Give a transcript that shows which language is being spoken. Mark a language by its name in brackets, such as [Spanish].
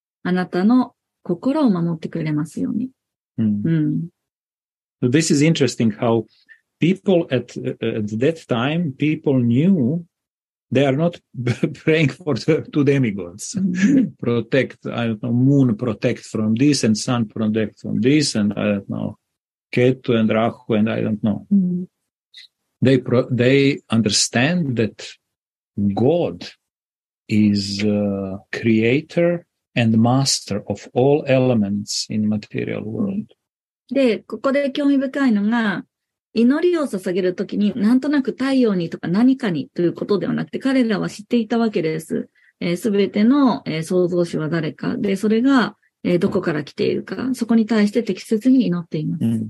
[Japanese] ロッカシュ、ヨゲシュワラがあなたの心を守ってくれますように。 [English] This is interesting how people at that time, people knew they are not praying for two demigods. Protect, I don't know, moon protect from this and sun protect from this and I don't know, Ketu and Rahu and I don't know. They understand that God is creator and master of all elements in material world. [Japanese] で、ここで興味深いのが、 祈りを捧げるときに、なんとなく太陽にとか何かにということではなくて、彼らは知っていたわけです。すべての創造主は誰か、で、それがどこから来ているか、そこに対して適切に祈っています。